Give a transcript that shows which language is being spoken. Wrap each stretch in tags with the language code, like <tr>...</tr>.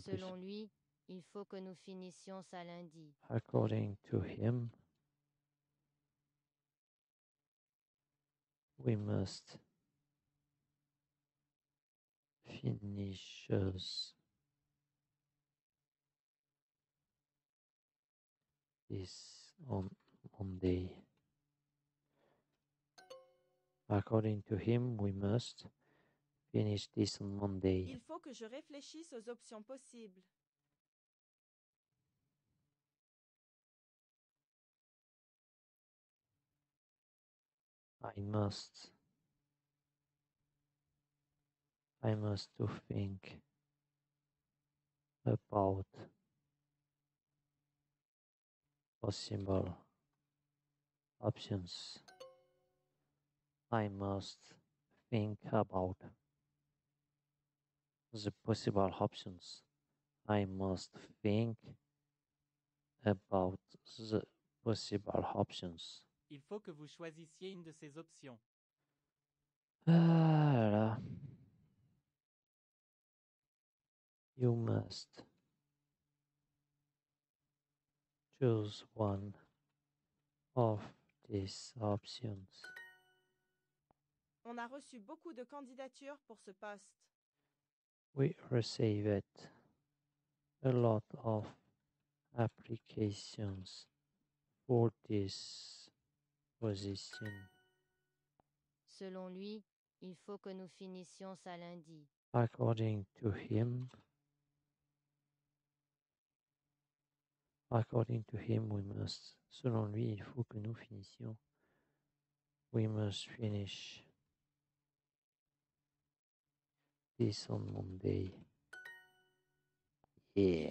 <fr>Selon lui, il faut que nous finissions ça lundi.</fr> <en>According to him, we must finish this on Monday. According to him, we must finish this on Monday.</en> <fr>Il faut que je réfléchisse aux options possibles.</fr> <en>I must to think about possible options. I must think about the possible options. I must think about the possible options.</en> <fr>Il faut que vous choisissiez une de ces options. Voilà.</fr> <en>You must choose one of these options.</en> <fr>On a reçu beaucoup de candidatures pour ce poste.</fr> <en>We received a lot of applications for this position.</en> <fr>Selon lui, il faut que nous finissions ça lundi.</fr> <en>According to him, we must.</en> <fr>Selon lui, il faut que nous finissions.</fr> <en>We must finish this on Monday. Yeah.</en>